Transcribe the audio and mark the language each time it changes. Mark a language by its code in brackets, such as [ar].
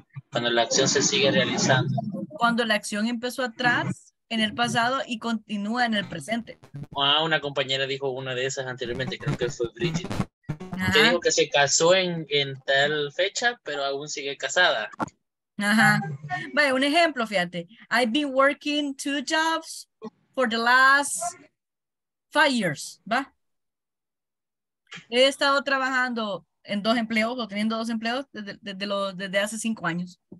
[es] Cuando la acción se sigue realizando. Cuando la acción empezó atrás, en el pasado, y continúa en el presente. Ah, una compañera dijo una de esas anteriormente, creo que fue Bridget. Ajá. Que dijo que se casó en tal fecha, pero aún sigue casada. Ajá. Vaya, un ejemplo, fíjate. [en] I've been working two jobs for the last 5 years, ¿va? [es] He estado trabajando en dos empleos, o teniendo dos empleos, desde hace 5 años.